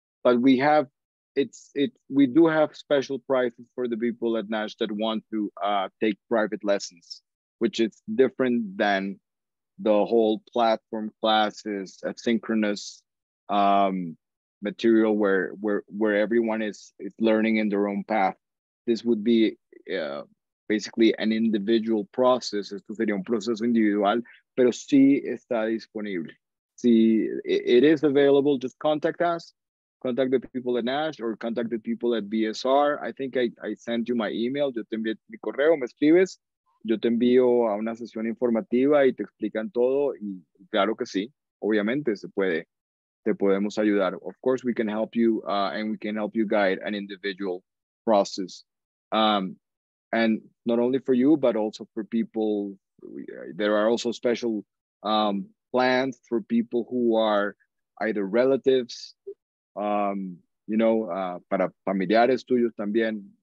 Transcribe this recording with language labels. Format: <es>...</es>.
<en>but we have, we do have special prices for the people at NASH that want to take private lessons, which is different than the whole platform classes, asynchronous material where everyone is learning in their own path. This would be basically an individual process.</en> <es>Esto sería un proceso individual, pero sí está disponible. Sí,</es> <en>it is available. Just contact us. Contact the people at NASH or contact the people at BSR. I think I sent you my email.</en> <es>Yo te envié mi correo, me escribes. Yo te envío a una sesión informativa y te explican todo. Y claro que sí, obviamente se puede. Te podemos ayudar.</es> <en>Of course, we can help you and we can help you guide an individual process. And not only for you, but also for people. There are also special plans for people who are either relatives,</en> <es>para familiares tuyos también.</es>